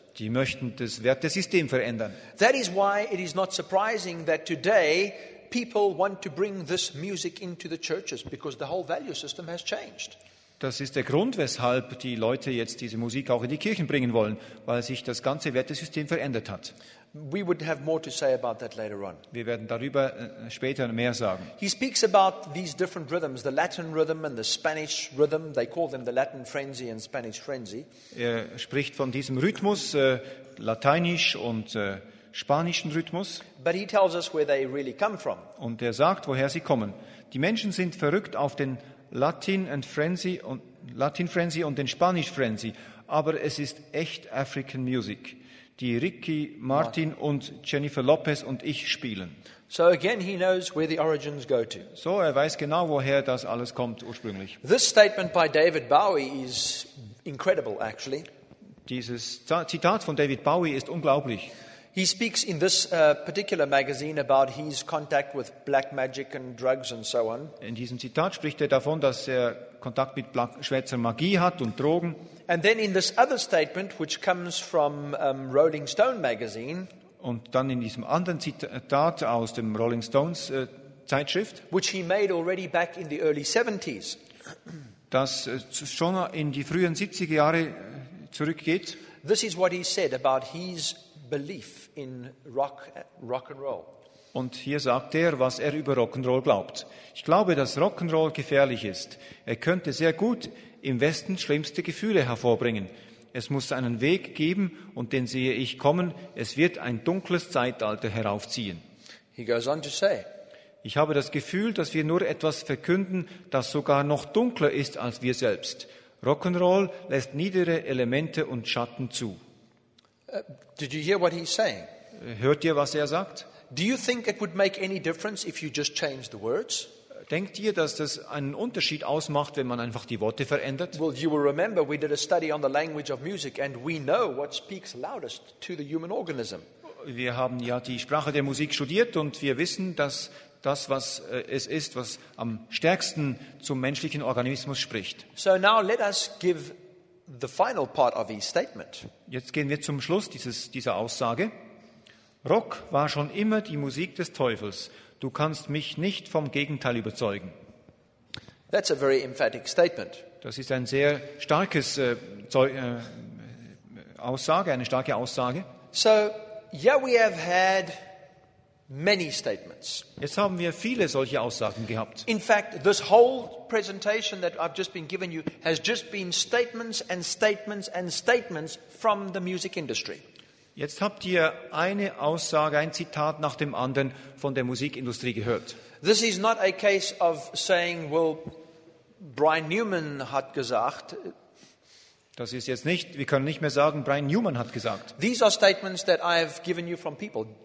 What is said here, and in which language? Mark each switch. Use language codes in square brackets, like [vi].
[de] Die möchten das Wertesystem verändern. [en] That is why it is not surprising that today people want to bring this music into the churches, because the whole value system has changed. [de] Das ist der Grund, weshalb die Leute jetzt diese Musik auch in die Kirchen bringen wollen, weil sich das ganze Wertesystem verändert hat. [en] We would have more to say about that later on. [de] Wir werden darüber später mehr sagen. [en] He speaks about these different rhythms, the Latin rhythm and the Spanish rhythm. They call them the Latin frenzy and Spanish frenzy. [de] Er spricht von diesem Rhythmus, lateinisch und spanischen Rhythmus. [en] But he tells us where they really come from. [de] Und er sagt, woher sie kommen. Die Menschen sind verrückt auf den Latin Frenzy und den Spanish Frenzy, aber es ist echt African Music, die Ricky Martin und Jennifer Lopez und ich spielen. [en] So again he knows where the origins go to. [de] So er weiß genau, woher das alles kommt ursprünglich. [en] This statement by David Bowie is incredible actually. [de] Dieses Zitat von David Bowie ist unglaublich. [en] He speaks in this particular magazine about his contact with black magic and drugs and so on. [de] In diesem Zitat spricht er davon, dass er Kontakt mit schwarzer Magie hat und Drogen. [en] And then in this other statement, which comes from Rolling Stone magazine. [de] Und dann in diesem anderen Zitat aus dem Rolling Stones Zeitschrift. [en] Which he made already back in the early 70s. [de] Das schon in die frühen 70er Jahre zurückgeht. [en] This is what he said about his belief in rock and roll. [de] Und hier sagt er, was er über Rock and Roll glaubt. Ich glaube, dass Rock and Roll gefährlich ist. Er könnte sehr gut im Westen schlimmste Gefühle hervorbringen. Es muss einen Weg geben, und den sehe ich kommen. Es wird ein dunkles Zeitalter heraufziehen. [en] He goes on to say, [de] ich habe das Gefühl, dass wir nur etwas verkünden, das sogar noch dunkler ist als wir selbst. Rock and Roll lässt niedere Elemente und Schatten zu. [en] Did you hear what he's saying? [de] Hört ihr, was er sagt? [en] Do you think it would make any difference if you just change the words? [de] Denkt ihr, dass das einen Unterschied ausmacht, wenn man einfach die Worte verändert? [en] Well, you will remember we did a study on the language of music, and we know what speaks loudest to the human organism. [de] Wir haben ja die Sprache der Musik studiert, und wir wissen, dass das, was es ist, was am stärksten zum menschlichen Organismus spricht. [en] So now let us give the final part of his statement. [de] Jetzt gehen wir zum Schluss dieser Aussage. Rock war schon immer die Musik des Teufels. Du kannst mich nicht vom Gegenteil überzeugen. [en] That's a very emphatic statement. [de] Das ist ein sehr starkes Aussage, eine starke Aussage. [en] So, yeah, we have had many statements. [de] Jetzt haben wir viele solche Aussagen gehabt. [en] In fact, this whole presentation that I've just been giving you has just been statements and statements and statements from the music industry. [de] Jetzt habt ihr eine Aussage, ein Zitat nach dem anderen von der Musikindustrie gehört. [en] This is not a case of saying, well, Brian Newman [de] hat gesagt. Das ist jetzt nicht, wir können nicht mehr sagen, Brian Newman hat gesagt. [en] These are statements that I've given you from people.